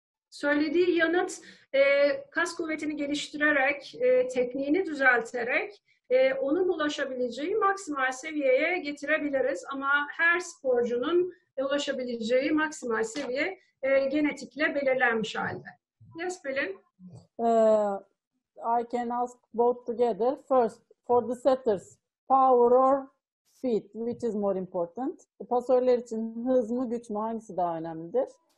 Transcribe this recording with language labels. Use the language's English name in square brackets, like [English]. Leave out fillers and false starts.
[Turkish] Söylediği yanıt kas kuvvetini geliştirerek, tekniğini düzelterek onun ulaşabileceği maksimal seviyeye getirebiliriz. Ama her sporcunun ulaşabileceği maksimal seviye genetikle belirlenmiş halde. [English] Yes, Pelin? I can ask both together. First, for the setters, power or speed, which is more important? [Turkish] Pasörler için hız mı, güç mü, hangisi daha önemlidir?